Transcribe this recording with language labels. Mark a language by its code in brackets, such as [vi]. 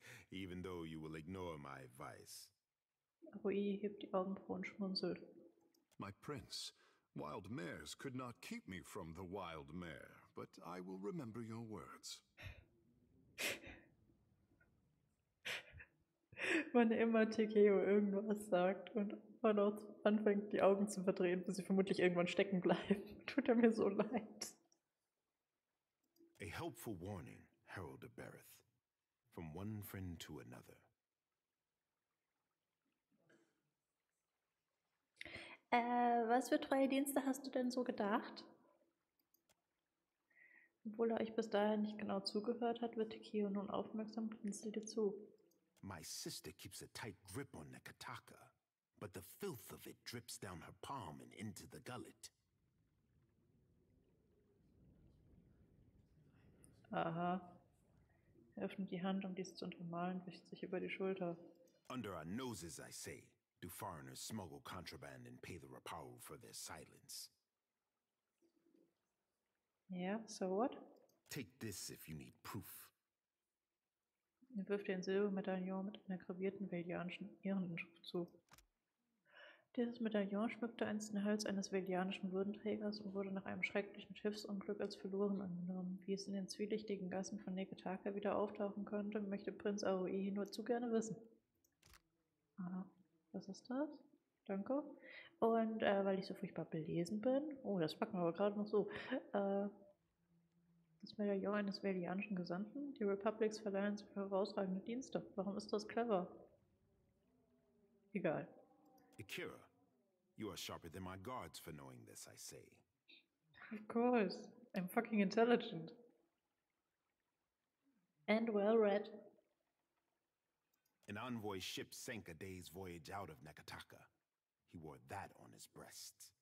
[en] Even though you will ignore my advice. [de] Aruihi hebt die Augenbrauen und schmunzelt. [en] My prince, wild mares could not keep me from the wild mare, but I will remember your words. [de] Wann immer Takeo irgendwas sagt und man auch anfängt, die Augen zu verdrehen, bis sie vermutlich irgendwann stecken bleiben, tut er mir so leid. [en] A helpful warning, Herald of Bereth. From one friend to another. [de] Was für treue Dienste hast du denn so gedacht? Obwohl er euch bis dahin nicht genau zugehört hat, wird Takeo nun aufmerksam und blinzelt dir zu. [en] My sister keeps a tight grip on Neketaka, but the filth of it drips down her palm and into the gullet. [de] Aha. Er öffnet die Hand, um dies zu untermalen, und wischt sich über die Schulter. [en] Under our noses, I say, do foreigners smuggle contraband and pay the Rapau for their silence. Yeah, so what? Take this if you need proof. [de] Er wirft ein Silbermedaillon mit einer gravierten velianischen Ehrenschrift zu. Dieses Medaillon schmückte einst den Hals eines velianischen Würdenträgers und wurde nach einem schrecklichen Schiffsunglück als verloren angenommen. Wie es in den zwielichtigen Gassen von Neketaka wieder auftauchen könnte, möchte Prinz Aruihi nur zu gerne wissen. Ah, was ist das? Danke. Und weil ich so furchtbar belesen bin, oh, das packen wir aber gerade noch so, das Medaillon eines velianischen Gesandten, die Republics verleihen sich herausragende Dienste. Warum ist das clever? Egal. [en] Akira, you are sharper than my guards for knowing this, I say. Of course, I'm fucking intelligent. And well read. An envoy's ship sank a day's voyage out of Neketaka. He wore that on his breast.